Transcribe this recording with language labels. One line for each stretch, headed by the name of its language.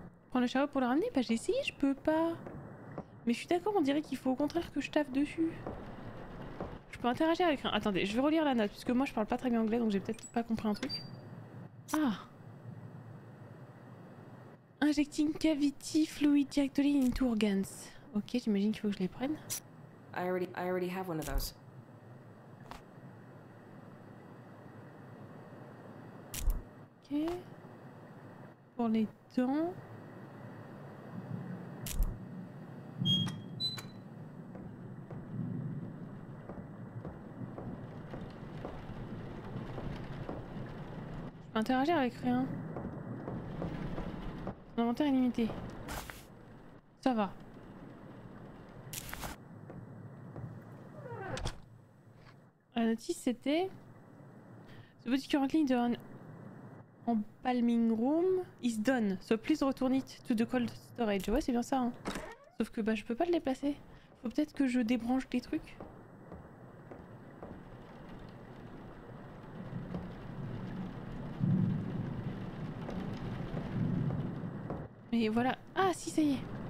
French: Prends le chariot pour le ramener. Bah, j'ai essayé, je peux pas. Mais je suis d'accord, on dirait qu'il faut au contraire que je taffe dessus. Je peux interagir avec un... Attendez, je vais relire la note, puisque moi je parle pas très bien anglais, donc j'ai peut-être pas compris un truc. Ah.
English: Injecting cavity fluid directly into organs.
French: Ok, j'imagine qu'il faut que je les prenne.
English: I already have one of those.
French: Ok. Pour les dents. Interagir avec rien. Son inventaire est limité. Ça va. La notice c'était.
English: The body currently done en palming room is done. So please return it to the cold storage.
French: Ouais, c'est bien ça. Hein. Sauf que bah je peux pas le déplacer. Faut peut-être que je débranche des trucs. Et voilà. Ah si, ça y est.